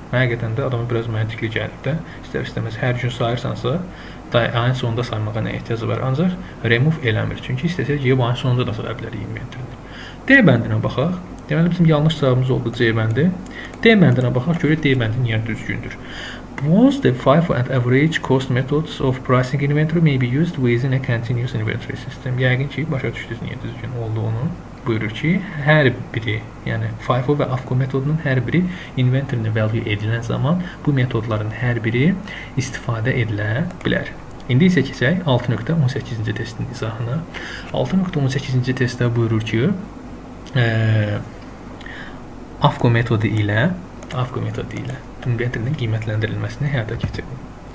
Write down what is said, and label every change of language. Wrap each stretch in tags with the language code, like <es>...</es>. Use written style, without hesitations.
<az>Həqiqətən də adama biraz məntiqli gəlir də. İstər istəməz, hər gün sayırsansa, ayın sonunda saymağa nə ehtiyacı var. Ancaq remove eləmir. Çünki istəsək, geyib ayın sonunda da saya bilərik inventory. D bəndinə baxaq. Deməli, bizim yanlış cavabımız oldu C bəndi. D bəndinə baxaq, görək D bəndi niyə düzgündür.</az> <en>Both the FIFO and average cost methods of pricing inventory may be used within a continuous inventory system.</en> <az>Yəqin ki, başa düşdünüz niyə düzgün olduğunu. Buyurur ki, hər biri, yəni FIFO və AFCO metodunun hər biri inventory-ni value edilən zaman bu metodların hər biri istifadə edilə bilər. İndi isə keçək 6.18-ci testin izahına. 6.18-ci testdə buyurur ki, AFCO metodu ilə inventory-nin qiymətləndirilməsini həyata keçirin.</az>